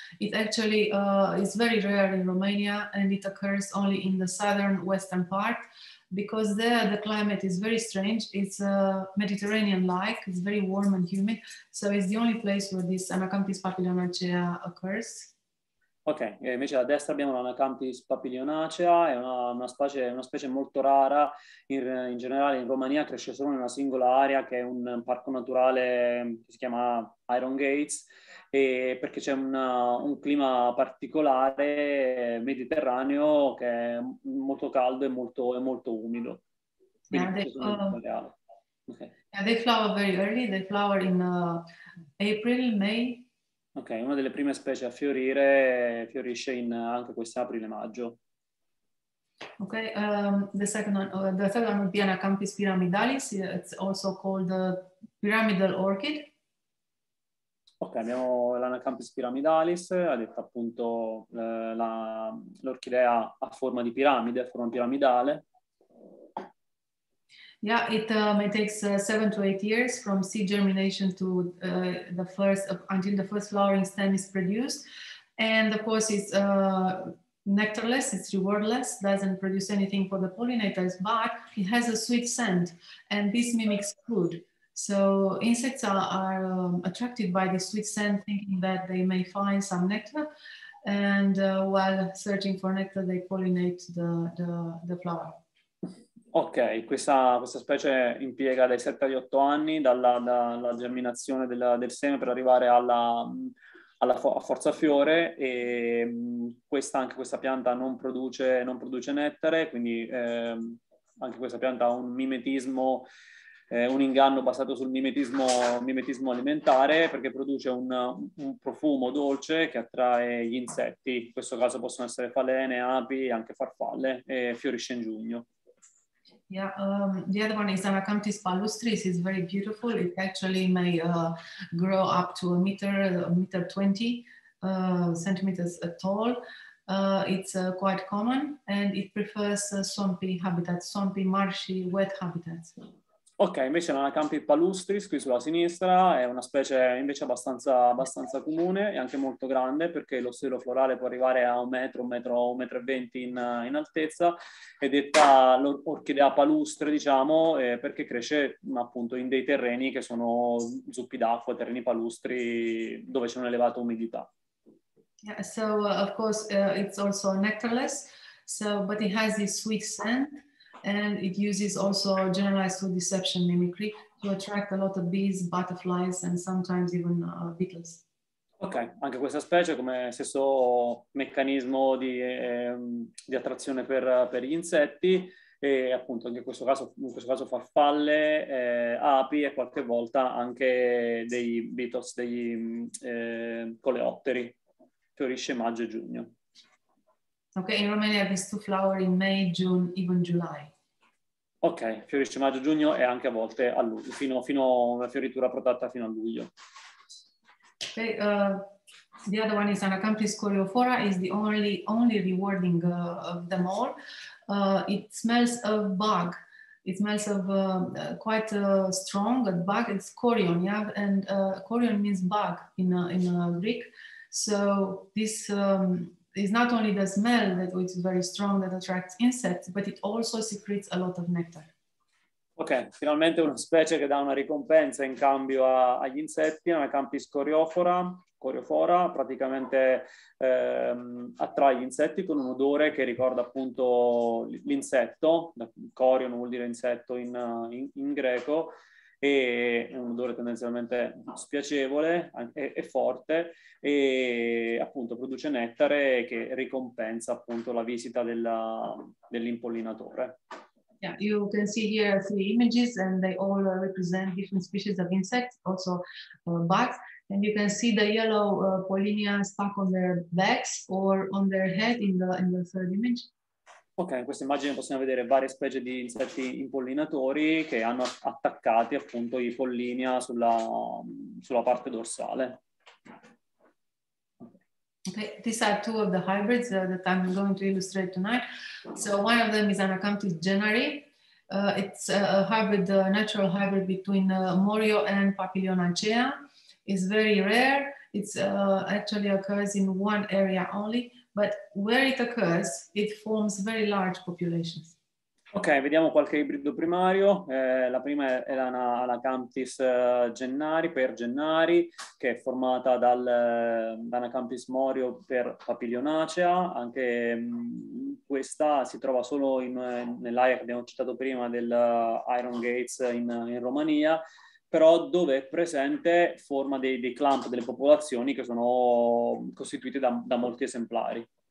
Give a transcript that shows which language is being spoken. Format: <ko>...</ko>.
<en>It actually is very rare in Romania, and it occurs only in the southern western part, because there the climate is very strange. It's Mediterranean-like, it's very warm and humid, so it's the only place where this Anacanthus papilionacea occurs.</en> <it>Ok, e invece a destra abbiamo l'Anacanthus papilionacea, è una specie molto rara, in generale in Romania cresce solo in una singola area, che è un parco naturale che si chiama Iron Gates, e perché c'è un clima particolare mediterraneo che è molto caldo e molto umido.</it> <en>Quindi yeah, they flower very early, they flower in April, May.</en> <it>Ok, una delle prime specie a fiorire fiorisce in anche questo aprile-maggio.</it> <en>Ok, the third one would be Anacanthus pyramidalis, it's also called pyramidal orchid.</en> <it>Ok, abbiamo l'Anacanthus pyramidalis, ha detto appunto l'orchidea a forma di piramide, a forma piramidale.</it> <en>Yeah, it takes 7 to 8 years from seed germination to until the first flowering stem is produced. And of course it's nectarless, it's rewardless, doesn't produce anything for the pollinators, but it has a sweet scent, and this mimics food. So insects are attracted by the sweet scent, thinking that they may find some nectar, and while searching for nectar they pollinate the flower.</en> <it>Ok, questa specie impiega dai 7 agli 8 anni dalla germinazione del seme per arrivare alla forza fiore, e anche questa pianta non produce nettare, quindi anche questa pianta ha un mimetismo un inganno basato sul mimetismo alimentare, perché produce un profumo dolce che attrae gli insetti. In questo caso possono essere falene, api e anche farfalle, e fiorisce in giugno.</it> <en>Yeah, the other one is Anacanthus palustris. It's very beautiful. It actually may grow up to a meter 20 centimeters tall. It's quite common and it prefers swampy habitats, swampy, marshy, wet habitats.</en> <it>Ok, invece l'Anacanthus palustris qui sulla sinistra è una specie invece abbastanza comune e anche molto grande, perché lo stelo florale può arrivare a un metro e venti in altezza. È detta l'orchidea palustre, diciamo, perché cresce appunto in dei terreni che sono zuppi d'acqua, terreni palustri dove c'è un'elevata umidità.</it> <en>Yeah, so of course it's also nectarless, so but it has this sweet scent. And it uses also generalized food deception mimicry to attract a lot of bees, butterflies, and sometimes even beetles.</en> <it>Ok, anche questa specie come stesso meccanismo di attrazione per gli insetti, e appunto anche in questo caso farfalle, api e qualche volta anche dei beetles, degli coleotteri. Fiorisce maggio e giugno.</it> <en>Ok, in Romania these two flower in May, June, even July.</en> <it>Ok, fiorisce maggio-giugno e anche a volte a luglio, fino a una fioritura protratta fino a luglio.</it> <en>Ok, the other one is Anacanthus coreophora, is the only rewarding of them all. It smells of bug, it smells of quite strong, a bug, it's corion, yeah? And corion means bug in Greek. So this is not only the smell that is very strong that attracts insects, but it also secretes a lot of nectar.</en> <it>Ok, finalmente una specie che dà una ricompensa in cambio agli insetti, Anacanthus coreophora, praticamente attrae gli insetti con un odore che ricorda appunto l'insetto, corion vuol dire insetto in greco, e un odore tendenzialmente spiacevole e forte, e appunto produce nettare che ricompensa appunto la visita dell'impollinatore.</it> <en>Yeah, you can see here three images and they all represent different species of insects, also bugs, and you can see the yellow pollinia stuck on their backs or on their head in the third image.</en> <it>Ok, in questa immagine possiamo vedere varie specie di insetti impollinatori che hanno attaccati appunto i pollinia sulla parte dorsale.</it> <en>Ok, these are two of the hybrids that I'm going to illustrate tonight. So one of them is Anacanthus genari. It's a hybrid, a natural hybrid between Morio and Papilion acea. It's very rare. It's actually occurs in one area only. But where it occurs, it forms very large populations.</en> <it>Ok, vediamo qualche ibrido primario. La prima è l'Anacanthus gennari, che è formata dall'Anacanthus morio per Papilionacea. Anche questa si trova solo nell'area che abbiamo citato prima del Iron Gates in Romania, però dove è presente forma dei clump, delle popolazioni che sono costituite da molti esemplari.</it>